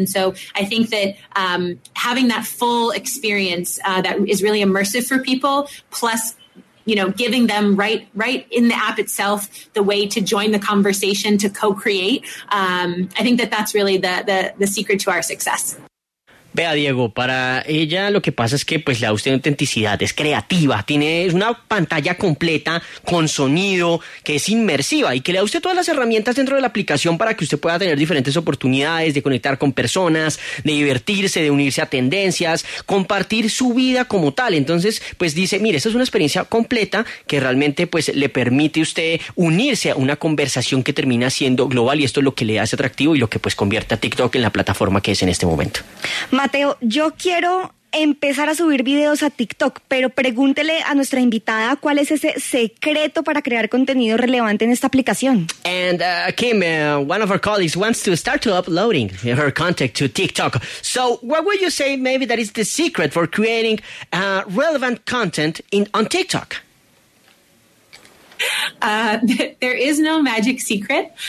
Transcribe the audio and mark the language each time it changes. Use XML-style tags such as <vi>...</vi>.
<en>And so I think that having that full experience that is really immersive for people, plus, you know, giving them right in the app itself the way to join the conversation, to co-create, I think that that's really the secret to our success.</en> <es>Vea, Diego, para ella lo que pasa es que pues le da usted autenticidad, es creativa, tiene una pantalla completa con sonido que es inmersiva y que le da usted todas las herramientas dentro de la aplicación para que usted pueda tener diferentes oportunidades de conectar con personas, de divertirse, de unirse a tendencias, compartir su vida como tal. Entonces, pues dice, mire, esta es una experiencia completa que realmente pues le permite a usted unirse a una conversación que termina siendo global y esto es lo que le hace atractivo y lo que pues convierte a TikTok en la plataforma que es en este momento. Mateo, yo quiero empezar a subir videos a TikTok, pero pregúntele a nuestra invitada cuál es ese secreto para crear contenido relevante en esta aplicación.</es> <en>And Kim, one of our colleagues wants to start to uploading her content to TikTok. So what would you say maybe that is the secret for creating relevant content on TikTok? There is no magic secret.</en>